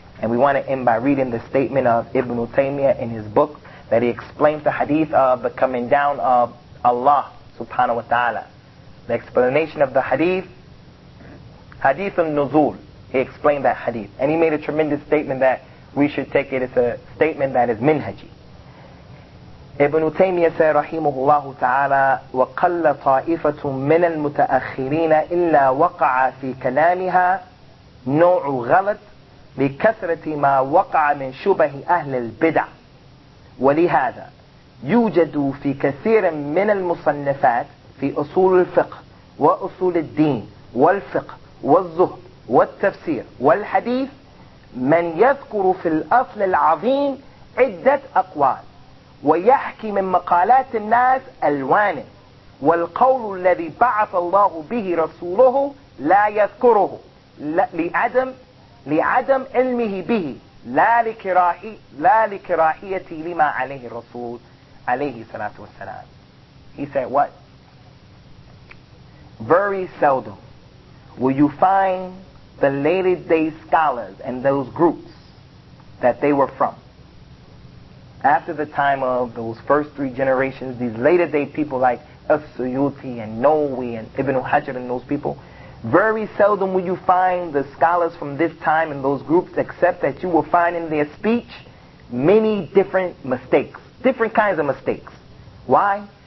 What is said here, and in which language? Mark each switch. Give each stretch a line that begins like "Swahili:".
English: And we want to end by reading the statement of Ibn Taymiyyah in his book, that he explains the hadith of the coming down of Allah subhanahu wa ta'ala. The explanation of the hadith, Hadith al-Nuzul, he explained that hadith. And he made a tremendous statement that we should take it as a statement that is minhaji. Ibn Taymiyyah said, rahimahullahu ta'ala,
Arabic: وَقَلَّ طَائِفَةٌ مِّنَ الْمُتَأَخِّرِينَ إِلَّا وَقَعَ فِي كَلَامِهَا نُوعُ غَلَطْ لِكَثْرَةِ مَا وَقَعَ مِنْ شُبَهِ أَهْلِ الْبِدَعِ وَلِهَذَا يُوجَدُ فِي كَثِيرٍ مِّنَ الْمُصَنَّفَاتِ فِي أُصُولِ الْفِقْهِ وَأُصُولِ الدِّينِ وَالْفِقْهِ والزهد والتفسير والحديث من يذكر في الأصل العظيم عدة أقوال ويحكي من مقالات الناس ألوانا والقول الذي بعث الله به رسوله لا يذكره لعدم علمه به، لا لكراهيتي لما عليه الرسول عليه الصلاة والسلام.
English: He said what? Very seldom will you find the later day scholars and those groups that they were from. After the time of those first three generations, these later day people like As-Suyuti and Nawawi and Ibn Hajar and those people, very seldom will you find the scholars from this time in those groups, except that you will find in their speech many different mistakes, different kinds of mistakes. Why?